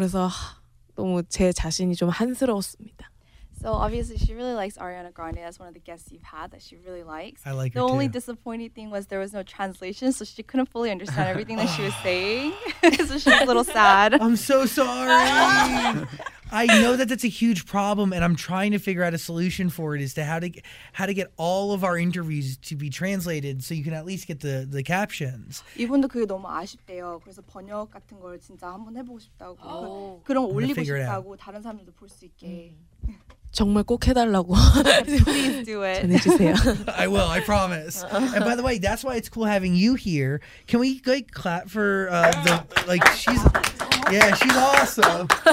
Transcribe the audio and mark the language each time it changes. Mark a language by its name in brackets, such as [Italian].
[Korean] 그래서 너무 제 자신이 좀 한스러웠습니다. [English] So obviously she really likes Ariana Grande. That's one of the guests you've had that she really likes. I like the her only too. Disappointing thing was there was no translation, so she couldn't fully understand everything that she was saying. So she's a little sad. I'm so sorry. I know that that's a huge problem, and I'm trying to figure out a solution for it as to how to get all of our interviews to be translated so you can at least get the captions. [Korean] 이분도 그게 너무 아쉽대요. 그래서 번역 같은 걸 진짜 한번 해보고 싶다고 그런 거 올리고 싶다고 다른 사람들도 볼 수 있게 정말 꼭 해달라고 전해주세요. [English] I will, I promise. And by the way, that's why it's cool having you here. Can we like clap for the, like, she's... Yeah, she's awesome.